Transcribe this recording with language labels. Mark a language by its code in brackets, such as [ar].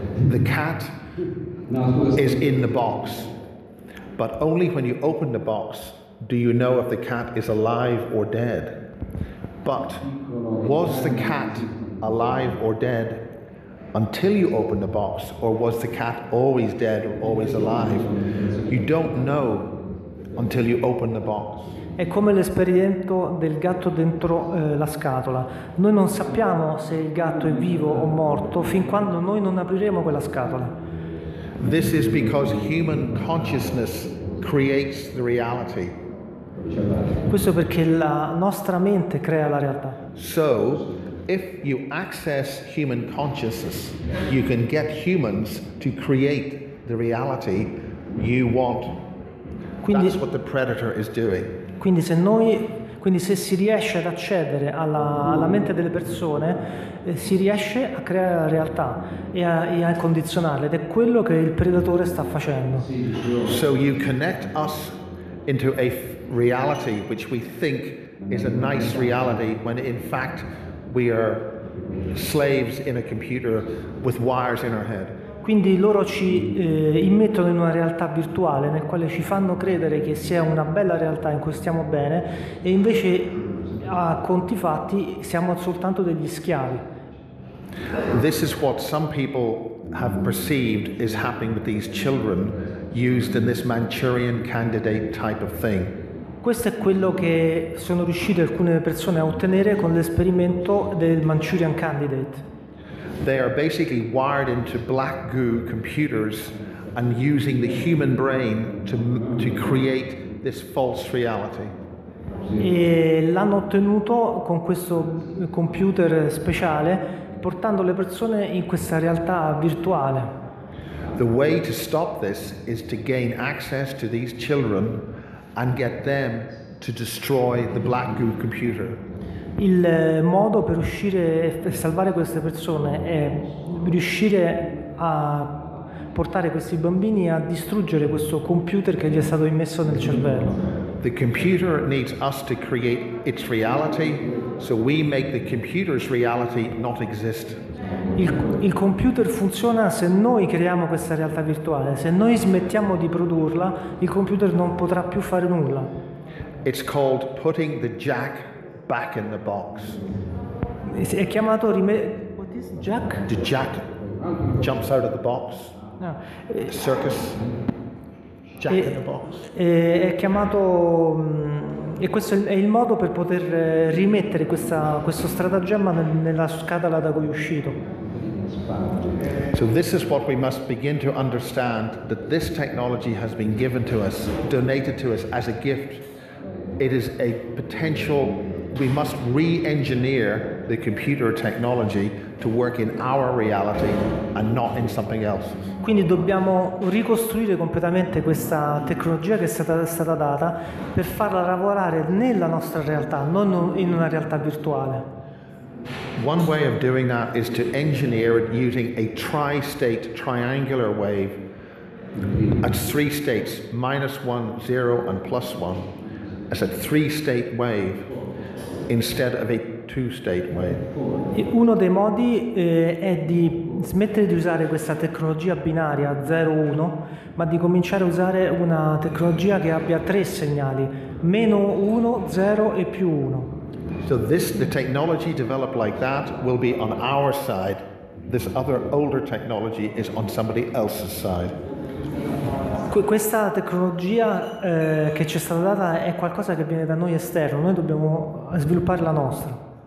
[en] The cat is in the box, but only when you open the box do you know if the cat is alive or dead. But was the cat alive or dead until you open the box, or was the cat always dead or always alive? You don't know until you open the box. [it] È come l'esperimento del gatto dentro la scatola. Noi non sappiamo se il gatto è vivo o morto fin quando noi non apriremo quella scatola. [en] This is because human consciousness creates the reality. [it] Questo perché la nostra mente crea la realtà. [en] So, if you access human consciousness, you can get humans to create the reality you want. [it] Quindi, [en] that's what the predator is doing. [it] Quindi se noi Quindi se si riesce ad accedere alla mente delle persone, si riesce a creare la realtà e a condizionarle, ed è quello che il predatore sta facendo. [en] So you connect us into a reality which we think is a nice reality, when in fact we are slaves in a computer with wires in our head. [it] Quindi loro ci immettono in una realtà virtuale nel quale ci fanno credere che sia una bella realtà in cui stiamo bene, e invece a conti fatti siamo soltanto degli schiavi. [en] This is what some people have perceived is happening with these children used in this Manchurian candidate type of thing. [it] Questo è quello che sono riuscite alcune persone a ottenere con l'esperimento del Manchurian Candidate. [en] They are basically wired into black goo computers and using the human brain to create this false reality. [it] E l'hanno ottenuto con questo computer speciale, portando le persone in questa realtà virtuale. [en] The way to stop this is to gain access to these children and get them to destroy the black goo computer. [it] Il modo per uscire e salvare queste persone è riuscire a portare questi bambini a distruggere questo computer che gli è stato immesso nel cervello. [en] The computer needs us to create its reality, so we make the computer's reality not exist. [it] Il computer funziona se noi creiamo questa realtà virtuale. Se noi smettiamo di produrla, il computer non potrà più fare nulla. [en] It's called putting the jack back in the box. [it] È chiamato [en] what is jack? The jack jumps out of the box. No. Circus. Jack in the box. [it] È chiamato. E questo è il modo per poter rimettere questo stratagemma nella scatola da cui è uscito. [en] So this is what we must begin to understand, that this technology has been given to us, donated to us as a gift. It is a potential. We must re-engineer the computer technology to work in our reality and not in something else. [it] Quindi dobbiamo ricostruire completamente questa tecnologia che è stata data per farla lavorare nella nostra realtà, non in una realtà virtuale. [en] One way of doing that is to engineer it using a tri-state triangular wave at three states, -1, 0, and +1, as a three-state wave instead of a two-state wave. [it] Uno dei modi è di smettere di usare questa tecnologia binaria 0-1, ma di cominciare a usare una tecnologia che abbia tre segnali, -1, 0, e +1. [en] So this, the technology developed like that will be on our side. This other older technology is on somebody else's side. [it] Questa tecnologia che ci è stata data è qualcosa che viene da noi esterno, noi dobbiamo sviluppare la nostra.